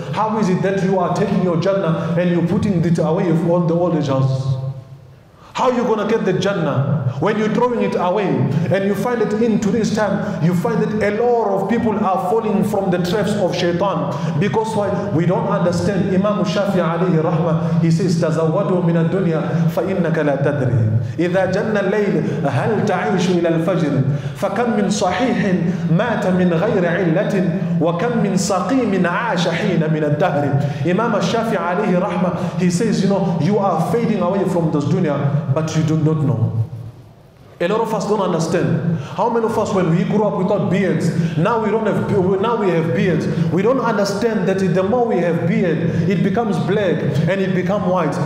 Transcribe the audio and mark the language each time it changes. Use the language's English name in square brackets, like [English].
[English] How is it that you are taking your Jannah and you're putting it away of all the old house? How are you gonna get the Jannah when you're throwing it away? And you find it in today's time, you find that a lot of people are falling from the traps of shaitan. Because why? We don't understand. Imam Shafi alayhi rahmah, he says, [Arabic] تَزَوَّدُوا مِنَ الدُّنْيَا فَإِنَّكَ لَا تَدْرِي إِذَا جَنَّ اللَّيْلِ هَلْ تَعِيشُ إِلَى الْفَجْرِ فَكَمْ مِنْ صَحِيحٍ مَاتَ مِنْ غَيْرِ عِلَّةٍ وَكَمْ مِنْ سَقِيمٍ عَاشَ حِينَ مِنَ الدَّهْرِ. [English] Imam Shafi alayhi rahmah, he says, you know, you are fading away from this dunya, but you do not know. A lot of us don't understand. How many of us, when we grew up without beards, now we have beards. We don't understand that the more we have beard, it becomes black and it becomes white.